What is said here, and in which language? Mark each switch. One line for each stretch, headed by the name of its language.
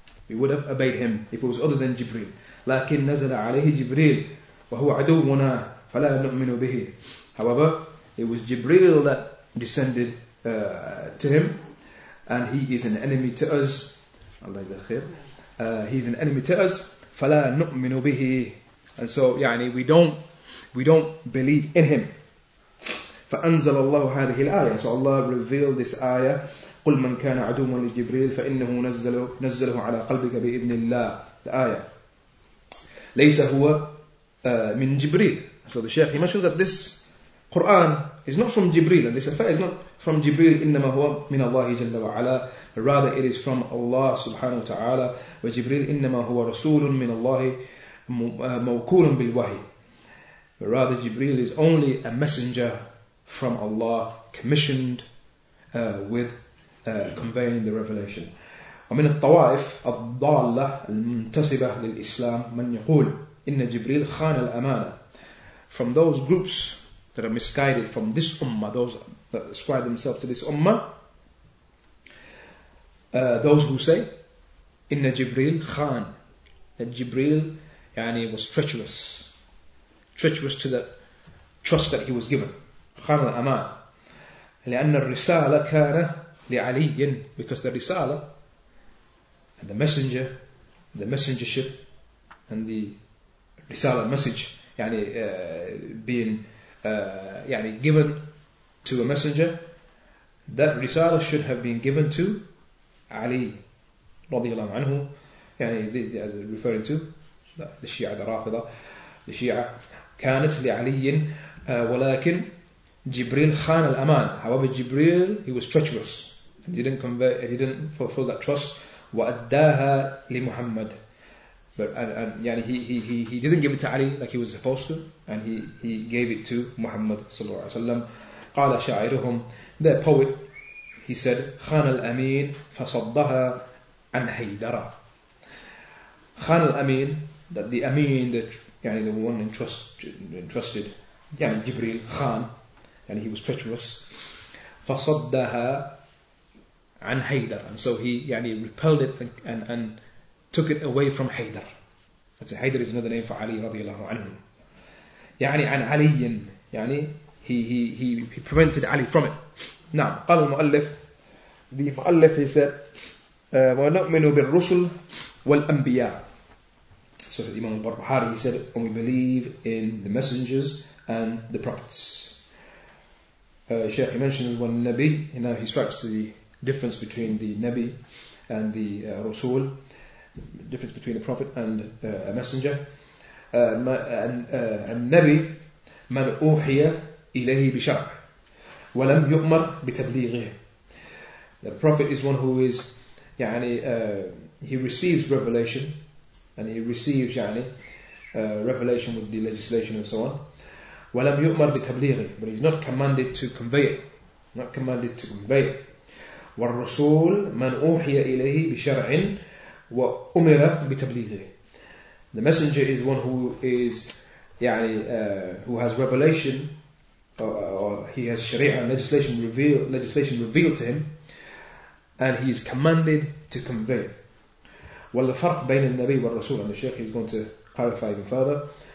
English: We would have obeyed him if it was other than Jibril.
Arabic: لكن نزل عليه جبريل وهو عدونا فلا نؤمن به.
English: However, it was Jibril that descended to him, and he is an enemy to us. Allah is akhir. He is an enemy to us.
Arabic: فلا نؤمن به.
English: And so, يعني we don't believe in him.
Arabic: فأنزل الله هذه الآية.
English: So Allah revealed this ayah.
Arabic: قل من كان عدوا لجبريل فإنه نزله على قلبك بإذن الله.
English: The ayah.
Arabic: ليس هو من جبريل.
English: So the Shaykh, he mentions that this Quran is not from Jibreel, and this affair is not from Jibreel.
Arabic: إنما هو من الله جل وعلا.
English: Rather, it is from Allah
Arabic: سبحانه وتعالى. وجبريل إنما هو رسول من الله موكول بالوحي.
English: Rather, Jibreel is only a messenger from Allah, commissioned with conveying the revelation.
Arabic: ومن الطوائف الضالة المنتسبة للإسلام من يقول إن جبريل خان الأمانة.
English: From those groups that are misguided from this ummah, those that ascribe themselves to this ummah, those who say, "Inna Jibril khan," that Jibril, yani, was treacherous to the trust that he was given, khan al-aman,
Arabic: لأن الرسالة كان لعلي,
English: because the risala and the messengership and the risala message, يعني being يعني given to a messenger, that risala should have been given to Ali رضي الله عنه, يعني referring to the Shia, the Rafida, the Shia.
Arabic: كانت لعلي ولكن جبريل خان الأمان.
English: However, Jibril, he was treacherous, and he didn't fulfill that trust.
Arabic: وأداها لمحمد.
English: But and yani he didn't give it to Ali like he was supposed to, and he gave it to Muhammad sallallahu alaihi wasallam.
Arabic: قال شاعرهم,
English: their poet, he said,
Arabic: خان الأمين فصدها عن هيدرة. خان الأمين,
English: that the Amin, yani the one entrusted, yani Jibril خان, and he was treacherous.
Arabic: فصدها عن هيدرة,
English: and so he yani repelled it and took it away from Haydar. That's Haydar is another name for Ali رضي الله عنه.
Arabic: يعني عن علي,
English: يعني he prevented Ali from it. نعم.
Arabic: قال المؤلف, the مؤلف,
English: he said,
Arabic: ونؤمن بالرسل والأنبياء.
English: So Imam al-Barbahari, he said, and we believe in the messengers and the prophets. Shaykh, he mentions one Nabi, you know, he strikes the difference between the Nabi and the Rasul. Difference between a prophet and a messenger.
Arabic: النبي من أوحي إليه بشرع ولم يؤمر بتبليغه.
English: The prophet is one who is, يعني, he receives revelation, and he receives, يعني, revelation with the legislation and so on.
Arabic: ولم يؤمر بتبليغه,
English: but he's not commanded to convey it.
Arabic: والرسول من أوحي إليه بشرع وأمر بتبليغه.
English: The messenger is one who is, يعني, who has revelation, or he has sharia, legislation revealed to him, and he is commanded to convey.
Arabic: والفرق بين النبي والرسول,
English: and the Shaykh is going to clarify even further.